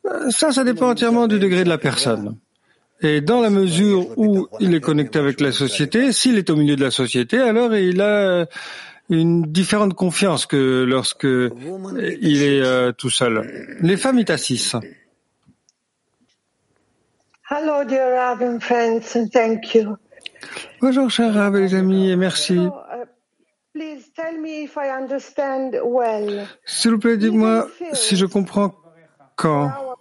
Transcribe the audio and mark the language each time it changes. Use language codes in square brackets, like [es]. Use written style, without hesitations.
[fr] Ça dépend entièrement du degré de la personne. Et dans la mesure où il est connecté avec la société, s'il est au milieu de la société, alors il a une différente confiance que lorsque il est tout seul. Les femmes Itassis. [en] Hello, dear Rav and friends, and thank you. [fr] Bonjour, chers Rav et les amis, et merci. [en] Please tell me if I understand well. [fr] S'il vous plaît, dites-moi si je comprends quand.